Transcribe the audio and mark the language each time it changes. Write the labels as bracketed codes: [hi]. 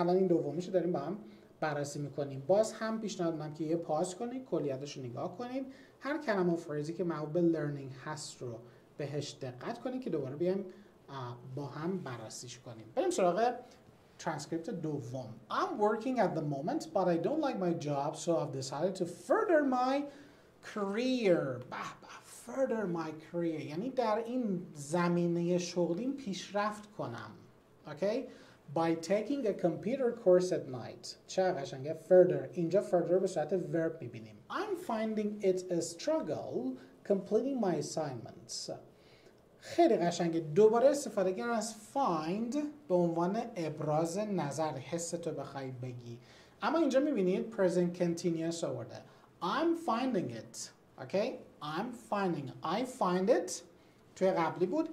[fa] الان این دومیش رو داریم با هم بررسی میکنیم. باز هم پیشنهاد میدم که یه پاس کنید، کلیتش رو نگاه کنید، هر کلمه و فریزی که مربوط به لرنینگ هست رو بهش دقت کنید که دوباره بیایم با هم بررسیش کنیم. بریم سراغ ترانسکریپت دوم. [en] I'm working at the moment but I don't like my job so I've decided to further my career. [fa] بح بح. [en] Further my career [fa] یعنی در این زمینه شغلیم پیشرفت کنم. [en] Okay? By taking a computer course at night. [fa] چه قشنگه further. اینجا further به صورت verb میبینیم. [en] I'm finding it a struggle completing my assignments. [fa] خیلی قشنگه. دوباره استفاده کردن از find به عنوان ابراز نظر، حس تو بخوای بگی. اما اینجا میبینید [en] present continuous آورده. I'm finding it. Okay? I'm finding it. I find it. [fa] توی قبلی بود.